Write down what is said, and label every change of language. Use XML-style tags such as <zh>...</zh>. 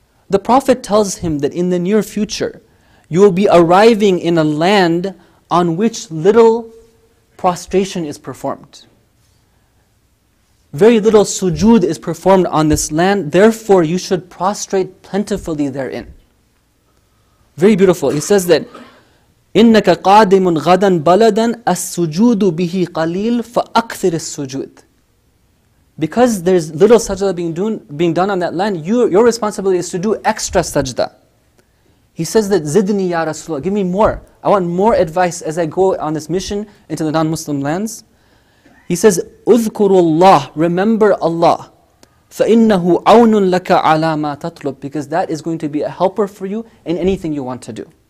<en>The Prophet tells him that in the near future, you will be arriving in a land on which little prostration is performed. Very little sujood is performed on this land, therefore you should prostrate plentifully therein. Very beautiful. He says that,</en> <ar>إِنَّكَ قَادِمٌ غَدًا بَلَدًا السُّجُودُ بِهِ قَلِيلٌ فَأَكْثِرِ السُّجُودِ.</ar> <en>Because there's little sajda being done on that land, your responsibility is to do extra sajda. He says that,</en> <ar>زِدْنِي يَا رَسُولَهُ.</ar> <en>Give me more. I want more advice as I go on this mission into the non-Muslim lands. He says,</en> <ar>اذكر الله,</ar> <en>remember Allah,</en> <ar>فإنه عون لك على ما تطلب,</ar> <en>because that is going to be a helper for you in anything you want to do.</en>